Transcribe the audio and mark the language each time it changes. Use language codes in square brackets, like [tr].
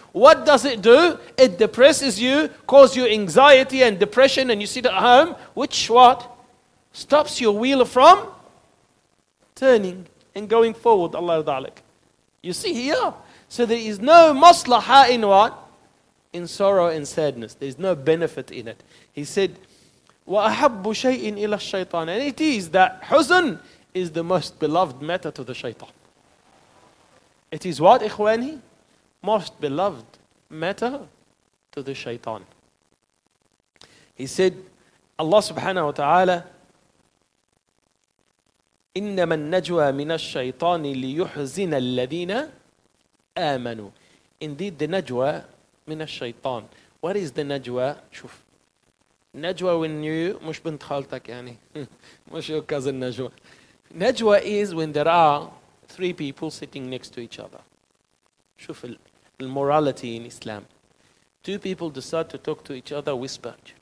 [en] What does it do? It depresses you, causes you anxiety and depression, and you sit at home, which what? Stops your wheel from turning and going forward, Allah Dalek. You see here? So there is no maslaha in what? In sorrow and sadness. There is no benefit in it. [ar] He said, وَأَحَبُّ شَيْءٍ إِلَى الشَّيْطَانِ. [en] And it is that huzn is the most beloved matter to the shaitan. It is what, ikhwani? Most beloved matter to the shaitan. He said, [ar] Allah subhanahu wa ta'ala, إِنَّمَا النَّجْوَى مِنَ الشَّيْطَانِ لِيُحْزِنَ الَّذِينَ آمَنُوا. [en] Indeed, the najwa [ar] مِنَ الشَّيْطَانِ. [en] What is the najwa? شوف. [ar] Najwa [en] when you, [ar] مش بنت خالتك يعني. [en] مش your cousin najwa. Najwa is when there are three people sitting next to each other. [ar] شوف المورالتي [en] in Islam. Two people decide to talk to each other, whisper.